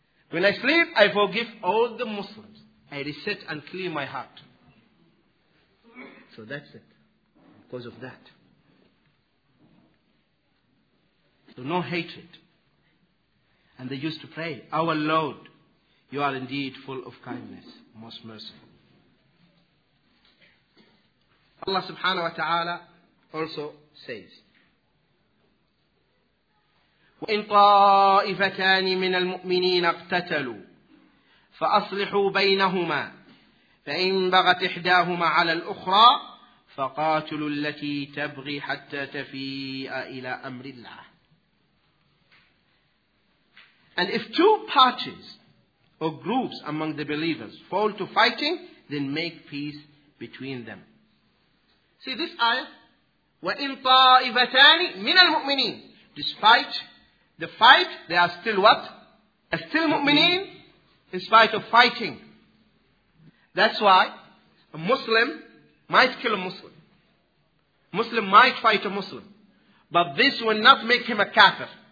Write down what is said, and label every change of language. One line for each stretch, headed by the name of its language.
English: When I sleep, I forgive all the Muslims. I reset and clear my heart. So that's it. Because of that. So no hatred. And they used to pray, Our Lord, you are indeed full of kindness, most merciful. Allah subhanahu wa ta'ala also says,
Arabic: وَإِن طَائِفَتَانِ مِنَ الْمُؤْمِنِينَ اقْتَتَلُوا فَأَصْلِحُوا بَيْنَهُمَا فَإِنْ بَغَتْ إِحْدَاهُمَا عَلَى الْأُخْرَى فَقَاتِلُوا الَّتِي تَبْغِي حَتَّى تَفِيءَ إِلَى أَمْرِ اللَّهِ.
English: And if two parties or groups among the believers fall to fighting, then make peace between them. See this ayah,
Arabic: وَإِن طَائِفَتَانِ مِنَ الْمُؤْمِنِينَ.
English: Despite the fight, they are still what? They are still mu'mineen in spite of fighting. That's why a Muslim might kill a Muslim. Muslim might fight a Muslim. But this will not make him a kafir.